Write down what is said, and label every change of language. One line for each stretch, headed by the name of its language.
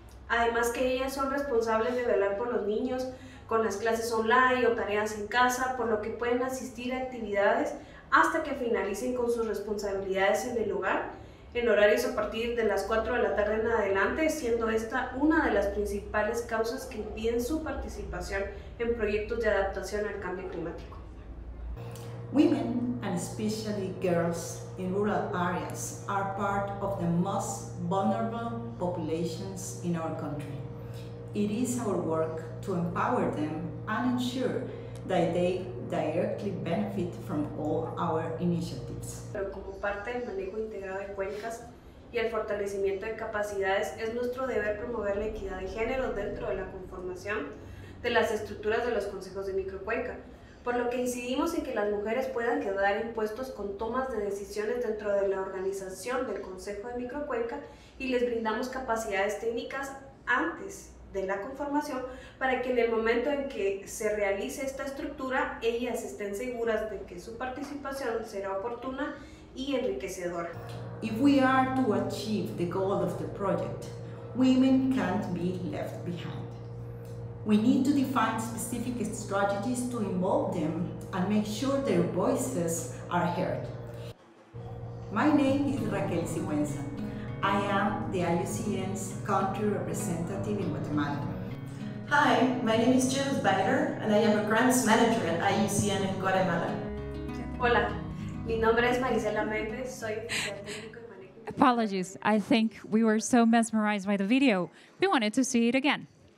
Spanish: Además que ellas son responsables de velar por los niños con las clases online o tareas en casa, por lo que pueden asistir a actividades hasta que finalicen con sus responsabilidades en el hogar, en horarios a partir de las 4 de la tarde en adelante, siendo esta una de las principales causas que impiden su participación en proyectos de adaptación al cambio climático.
English: Women, and especially girls in rural areas, are part of the most vulnerable populations in our country. It is our work to empower them and ensure that they directly benefit from all our initiatives.
Spanish: Pero como parte del manejo integrado de cuencas y el fortalecimiento de capacidades, es nuestro deber promover la equidad de género dentro de la conformación de las estructuras de los consejos de microcuenca. Por lo que incidimos en que las mujeres puedan quedar en puestos con tomas de decisiones dentro de la organización del Consejo de Microcuenca y les brindamos capacidades técnicas antes de la conformación para que en el momento en que se realice esta estructura, ellas estén seguras de que su participación será oportuna y enriquecedora.
English: If we are to achieve the goal of the project, women can't be left behind. We need to define specific strategies to involve them and make sure their voices are heard. My name is Raquel Sigüenza. I am the IUCN's country representative in Guatemala. Hi, my name is Judith Bader and I am a grants manager at IUCN in Guatemala.
Spanish: Hola, mi nombre es Marisela Méndez, soy oficial técnico.
English: Apologies, I think we were so mesmerized by the video, we wanted to see it again.